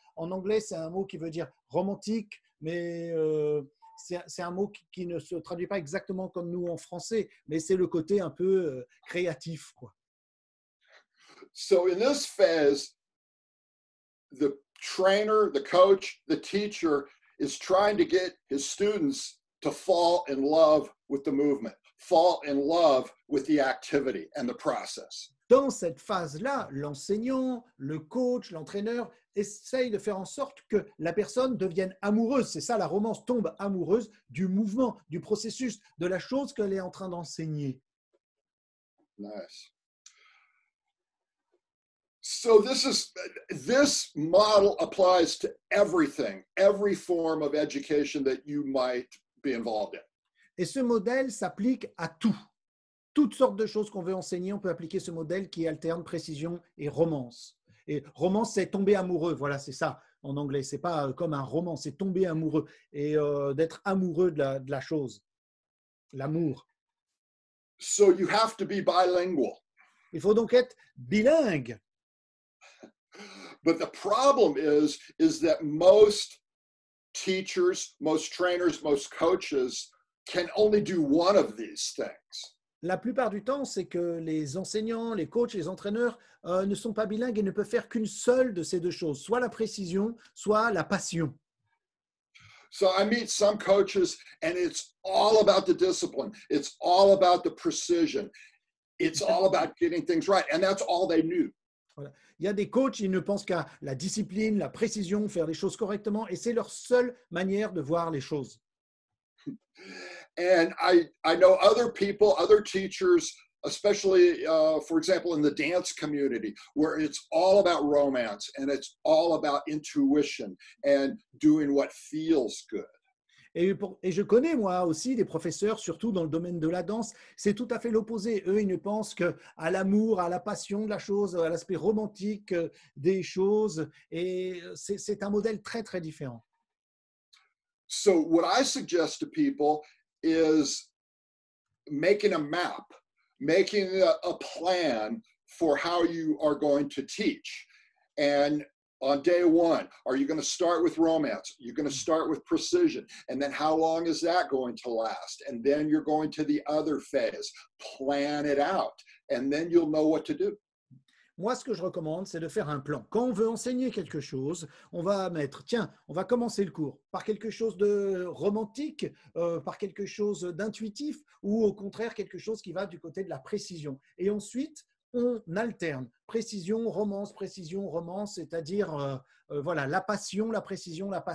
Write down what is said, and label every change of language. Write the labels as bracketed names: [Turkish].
[French] En anglais, c'est un mot qui veut dire romantique, mais c'est un mot qui ne se traduit pas exactement comme nous en français, mais c'est le côté un peu créatif, quoi. [English] So in this phase, the trainer, the coach, the teacher is trying to get his students to fall in love with the movement, fall in love with the activity and the process. [French] Dans cette phase-là, l'enseignant, le coach, l'entraîneur essaye de faire en sorte que la personne devienne amoureuse. C'est ça, la romance tombe amoureuse du mouvement, du processus, de la chose qu'elle est en train d'enseigner. [English] Nice. So this model applies to everything, every form of education that you might be involved in. [French] Et ce modèle s'applique à tout. Toutes sortes de choses qu'on veut enseigner, on peut appliquer ce modèle qui alterne précision et romance. Et romance, c'est tomber amoureux, voilà, c'est ça en anglais. C'est pas comme un roman, c'est tomber amoureux et d'être amoureux de la chose, l'amour. [English] So you have to be bilingual. [French] Il faut donc être bilingue. [English] But the problem is that most teachers, most trainers, most coaches can only do one of these things. [French] La plupart du temps, c'est que les enseignants, les coachs, les entraîneurs ne sont pas bilingues et ne peuvent faire qu'une seule de ces deux choses, soit la précision, soit la passion. [English] So I meet some coaches and it's all about the discipline, it's all about the precision, it's all about getting things right, and that's all they knew. [French] Voilà. Il y a des coachs, ils ne pensent qu'à la discipline, la précision, faire les choses correctement, et c'est leur seule manière de voir les choses. [English] And I know other people, other teachers, especially, for example, in the dance community, where it's all about romance and it's all about intuition and doing what feels good. [French] Et je connais moi aussi des professeurs, surtout dans le domaine de la danse, c'est tout à fait l'opposé. Eux, ils ne pensent qu'à l'amour, à la passion de la chose, à l'aspect romantique des choses. Et c'est un modèle très, très différent. [English] So what I suggest to people is making a map, making a plan for how you are going to teach. And on day one, are you going to start with romance? You're going to start with precision. And then how long is that going to last? And then you're going to the other phase. Plan it out. And then you'll know what to do. [French] Moi, ce que je recommande, c'est de faire un plan. Quand on veut enseigner quelque chose, on va mettre, tiens, on va commencer le cours par quelque chose de romantique, par quelque chose d'intuitif ou au contraire, quelque chose qui va du côté de la précision. Et ensuite, on alterne précision, romance, c'est-à-dire voilà, la passion, la précision.